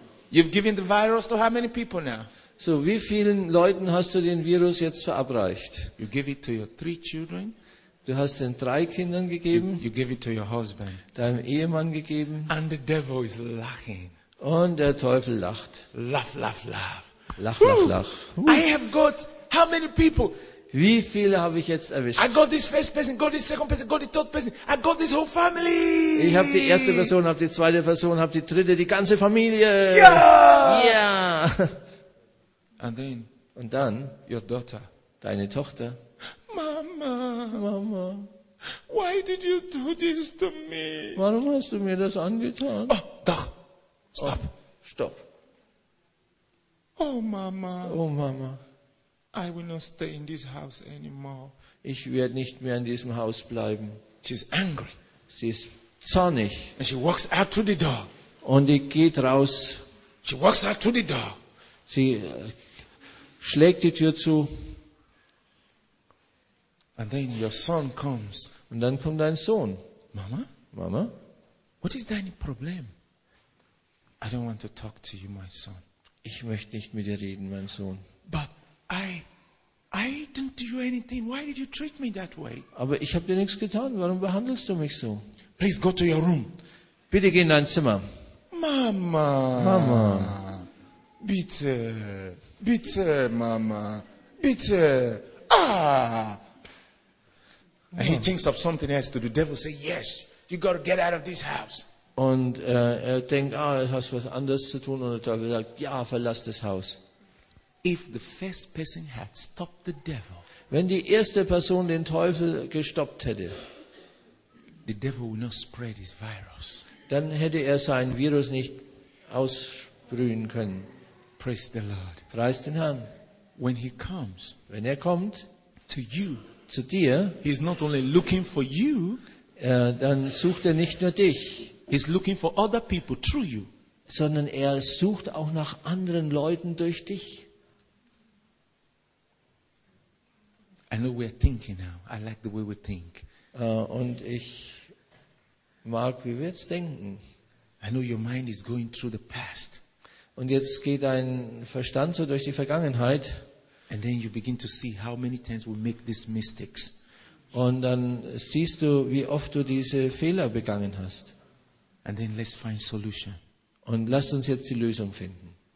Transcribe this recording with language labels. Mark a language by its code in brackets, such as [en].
[en] You've given the virus to how many people now? [de] So, wie vielen Leuten hast du den Virus jetzt verabreicht? [en] You give it to your three children. [de] Du hast den drei Kindern gegeben. [en] You give it to your husband. [de] Deinem Ehemann gegeben. [en] And the devil is laughing. [de] Und der Teufel lacht. [en] Laugh, laugh, laugh. [de] Lach, lach, lach. [en] I have got how many people? [de] Wie viele habe ich jetzt erwischt? [en] I got this first person, got this second person, got the third person. I got this whole family. [de] Ich habe die erste Person, habe die zweite Person, habe die dritte, die ganze Familie. Ja. [en] Yeah. And then, [de] und dann [en] your daughter, [de] deine Tochter. [en] Mama, [de] Mama. [en] Why did you do this to me? [de] Warum hast du mir das angetan? [en] Oh, doch. Stop. Oh, stop. Oh Mama. [de] Oh Mama. [en] I will not stay in this house anymore. [de] Ich werde nicht mehr in diesem Haus bleiben. [en] She's angry. [de] Sie ist zornig. [en] And she walks out to the door. [de] Und sie geht raus. [en] She walks out to the door. [de] Sie schlägt die Tür zu. [en] And then your son comes. [de] Und dann kommt dein Sohn. [en] Mama? [de] Mama? [en] What is dein Problem? I don't want to talk to you, my son. [de] Ich möchte nicht mit dir reden, mein Sohn. [en] But I didn't do you anything. Why did you treat me that way? [de] Aber ich habe dir nichts getan. Warum behandelst du mich so? [en] Please go to your room. [de] Bitte geh in dein Zimmer. [en] Mama. [de] Mama. Bitte. Bitte, Mama. Bitte. Ah. [en] And he thinks of something else to do. The devil says, yes, you got to get out of this house. [de] Und er denkt, ah, es hat was anderes zu tun. Und der Teufel sagt, ja, verlass das Haus. [en] If the first person had stopped the devil, [de] wenn die erste Person den Teufel gestoppt hätte, [en] the devil would not spread his virus. [de] Dann hätte er sein Virus nicht aussprühen können. [en] Praise the Lord. [de] Preist den Herrn. [en] When he comes, [de] wenn er kommt, [en] to you, [de] zu dir, [en] he's not only looking for you, [de] dann sucht er nicht nur dich, [en] he's looking for other people through you, [de] sondern er sucht auch nach anderen Leuten durch dich. [en] I know we're thinking now. I like the way we think. [de] Und ich mag, wie wir jetzt denken. [en] I know your mind is going through the past. [de] Und jetzt geht dein Verstand so durch die Vergangenheit. [en] And then you begin to see how many times we make these mistakes. [de] Und dann siehst du, wie oft du diese Fehler begangen hast. [en] And then let's find solution. [de] Und lasst uns jetzt die Lösung finden.